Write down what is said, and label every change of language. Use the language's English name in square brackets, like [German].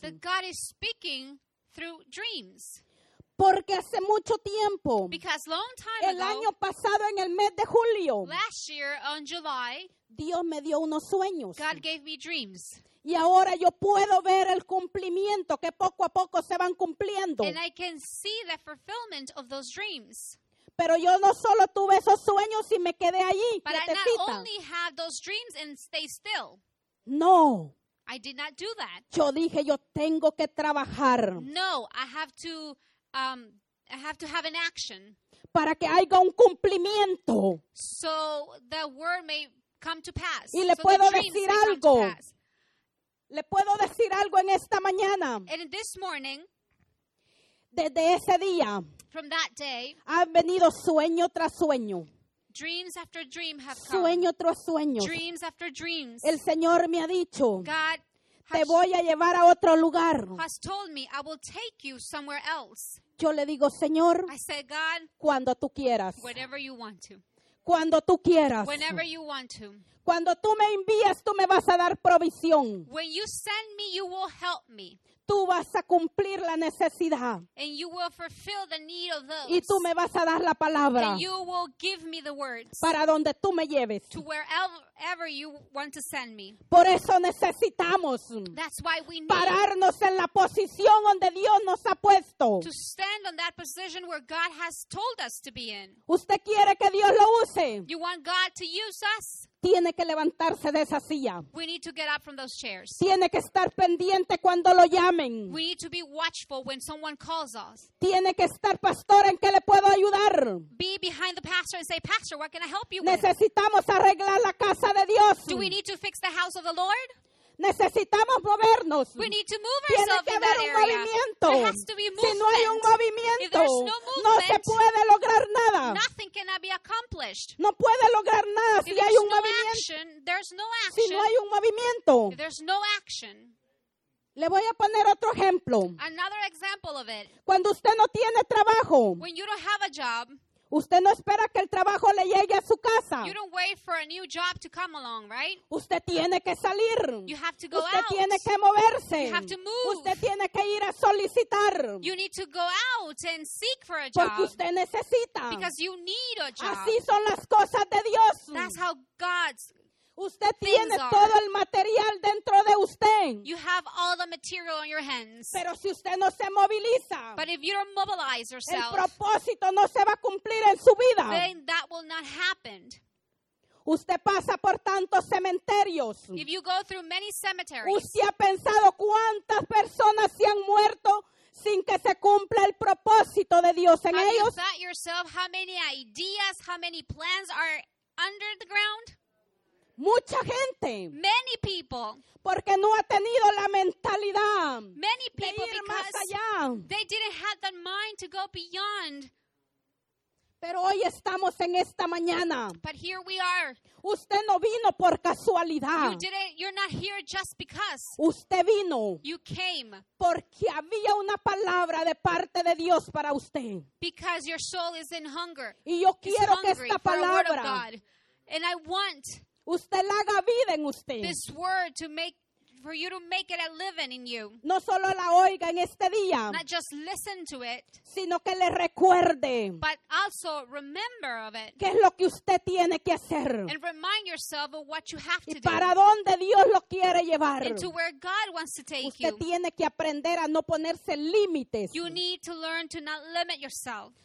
[English] That God is speaking through dreams. [Spanish] Porque hace mucho tiempo, [English] because long time [Spanish] el [English] ago, [Spanish] año pasado en el mes de julio, [English] last year on July, [Spanish] Dios me dio unos sueños. [English] God gave me dreams. [Spanish] Y ahora yo puedo ver el cumplimiento que poco a poco se van cumpliendo. [English] And I can see the fulfillment of those dreams. [Spanish] Pero yo no solo tuve esos sueños y me quedé allí. [English] But [Spanish] quietecita. [English] I not only have those dreams and stay still. [Spanish] No. [English] I did not do that. [Spanish] Yo dije, yo tengo que trabajar. [English] No, I have to have an action. [Spanish] Para que haya un cumplimiento. [English] So the word may come to pass. [Spanish] Y le [English] so [Spanish] puedo decir algo. Le puedo decir algo en esta mañana. [English] And this morning, [Spanish] desde ese día, [English] from that day, [Spanish] han venido sueño tras sueño. [English] Dreams after dream have [Spanish] sueño [English] come. [Spanish] Tras sueño. [English] Dreams after dreams. [Spanish] El Señor me ha dicho, [English] God, [Spanish] te voy a llevar a otro lugar. [English] Has told me I will take you somewhere else. [Spanish] Yo le digo, Señor, [English] I said, God, [Spanish] cuando tú quieras. [English] Whenever you want to. [Spanish] Cuando tú quieras. [English] Whenever you want to. [Spanish] Cuando tú me envías, tú me vas a dar provisión. [English] When you send me, you will help me. [Spanish] Tú vas a cumplir la necesidad. [English] And you will fulfill the need of those. [Spanish] Y tú me vas a dar la palabra. [English] And you will give me the words. [Spanish] Para donde tú me lleves. [English] To wherever you want to send me. [Spanish] Por eso necesitamos. [English] That's why we need. [Spanish] Pararnos en la posición donde Dios nos ha puesto. [English] To stand on that position where God has told us to be in. [Spanish] ¿Usted quiere que Dios lo use? [English] You want God to use us? [Spanish] Tiene que levantarse de esa silla. [English] We need to get up from those chairs. [Spanish] Tiene que estar pendiente cuando lo llamen. [English] We need to be watchful when someone calls us. [Spanish] Tiene que estar, pastor, ¿en qué le puedo ayudar? [English] Be behind the pastor and say, pastor, what can I help you with? [Spanish] Necesitamos arreglar la casa de Dios. [English] Do we need to fix the house of the Lord? [Spanish] Necesitamos movernos. [English] We need to move ourselves. [Spanish] Tiene que haber un movimiento. [English] There has to be movement. [Spanish] Si no hay un movimiento, [English] if there's no movement, [Spanish] no se puede lograr nada. [English] Nothing cannot be accomplished. [Spanish] No puede lograr nada [English] if [Spanish] si hay un movimiento. [English] Action, there's no action. [Spanish] Si no hay un movimiento. [English] If there's no action. [Spanish] Le voy a poner otro ejemplo. [English] Another example of it. [Spanish] Cuando usted no tiene trabajo. [English] When you don't have a job. [Spanish] Usted no espera que el trabajo le llegue a su casa. [English] You don't wait for a new job to come along, right? [Spanish] Usted tiene que salir. [English] You have to go [Spanish] usted [English] out. [Spanish] Tiene que moverse. [English] You have to move. [Spanish] Usted tiene que ir a solicitar. [English] You need to go out and seek for a job. [Spanish] Porque usted necesita. [English] Because you need a job. [Spanish] Así son las cosas de Dios. [English] That's how God's [Spanish] usted tiene todo [English] are. [Spanish] El material dentro de usted. [English] You have all the material on your hands. [Spanish] Pero si usted no se moviliza, [English] but if you don't mobilize yourself, [Spanish] el propósito no se va a cumplir en su vida. [English] Then that will not happen. [Spanish] Usted pasa por tantos cementerios. [English] If you go through many cemeteries, [Spanish] usted ha pensado cuántas personas se han muerto sin que se cumpla el propósito de Dios en [English] have [Spanish] ellos. [English] Have you thought yourself how many ideas, how many plans are under the ground? [Spanish] Mucha gente. [English] Many people. [Spanish] Porque no ha tenido la mentalidad. [English] Many people [Spanish] de ir más allá. [English] They didn't have the mind to go beyond. [Spanish] Pero hoy estamos en esta mañana. [English] But here we are. [Spanish] Usted no vino por casualidad. [English] You're not here just because. [Spanish] Usted vino. [English] You came. [Spanish] Porque había una palabra de parte de Dios para usted. [English] Because your soul is in hunger. [Spanish] Y yo quiero que esta palabra. [English] And I want. [Spanish] Usted la haga vida en usted. [English] This word to make, for you to make it a living in you. [Spanish] No solo la oiga en este día. [English] Not just listen to it. [Spanish] Sino que le recuerde. [English] But also remember of it. [Spanish] ¿Qué es lo que usted tiene que hacer? [English] And remind yourself of what you have to do. [Spanish] ¿Y para dónde Dios lo quiere llevar? [English] And to where God wants to take you. [Spanish] Usted tiene que aprender a no ponerse límites. [English] You need to learn to not limit yourself.